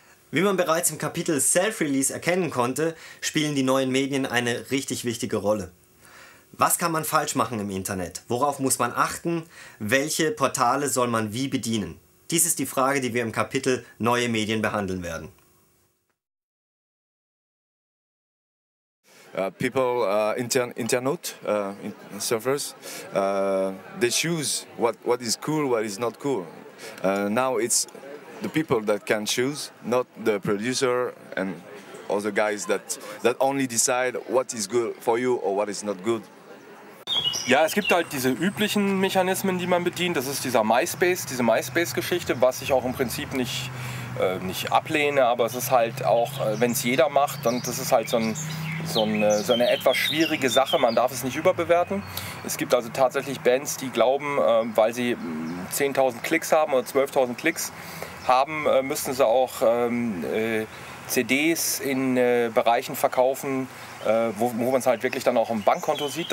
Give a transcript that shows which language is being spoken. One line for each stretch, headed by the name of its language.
German: Wie man bereits im Kapitel Self-Release erkennen konnte, spielen die neuen Medien eine richtig wichtige Rolle. Was kann man falsch machen im Internet? Worauf muss man achten? Welche Portale soll man wie bedienen? Dies ist die Frage, die wir im Kapitel Neue Medien behandeln werden.
English: People, internet servers, they choose what is cool, what is not cool. Now it's the people that can choose, not the producer and other guys that only decide what is good for you or what is not good.
German: Ja, es gibt halt diese üblichen Mechanismen, die man bedient. Das ist dieser MySpace, diese MySpace-Geschichte, was ich auch im Prinzip nicht ablehne, aber es ist halt auch, wenn es jeder macht, dann das ist halt so eine etwas schwierige Sache. Man darf es nicht überbewerten. Es gibt also tatsächlich Bands, die glauben, weil sie 10.000 Klicks haben oder 12.000 Klicks haben, müssen sie auch CDs in Bereichen verkaufen, wo man es halt wirklich dann auch im Bankkonto sieht.